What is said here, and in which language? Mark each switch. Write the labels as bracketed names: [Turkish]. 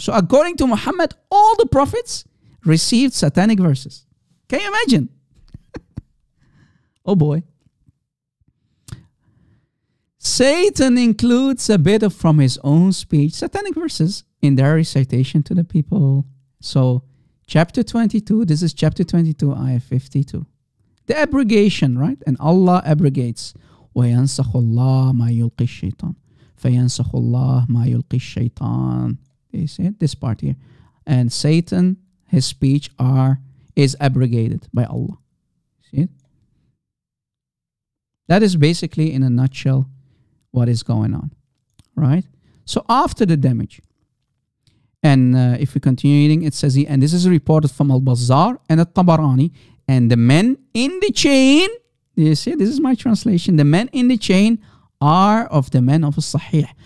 [English] So according to Muhammad, all the prophets received satanic verses. Can you imagine? Oh boy. Satan includes a bit of from his own speech, satanic verses, in their recitation to the people. So chapter 22, this is chapter 22, ayah 52. The abrogation, right? And Allah abrogates. [Arabic] وَيَنْسَخُ اللَّهُ مَا يُلْقِي الشَّيْطَانِ فَيَنْسَخُ اللَّهُ مَا يُلْقِي الشَّيْطَانِ [English] You see it? This part here. And Satan, his speech is abrogated by Allah. See it? That is basically, in a nutshell, what is going on, right? So after the damage, and if we continue reading, it says, and this is reported from Al-Bazzar and Al-Tabarani, and the men in the chain, you see, this is my translation, the men in the chain are of the men of Sahih.